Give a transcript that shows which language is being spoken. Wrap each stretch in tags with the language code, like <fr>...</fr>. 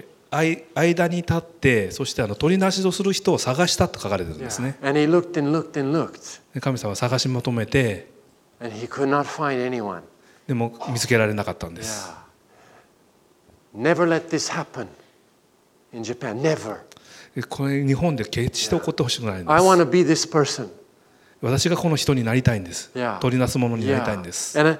<ja>間に立って、そしてあの取りなしをする人を探したと書かれているんですね。 Yeah.</ja> <en>And he looked and looked and looked.</en> <ja>神様を探し求めて、</ja> <en>And he could not find anyone.</en> <ja>でも見つけられなかったんです。 Yeah.</ja> <en>Never let this happen in Japan. Never.</en> <ja>これ日本で決して起こってほしくないんです。</ja> <en>Yeah. I want to be this person.</en> <ja>私がこの人になりたいんです。取りなすものになりたいんです。</ja>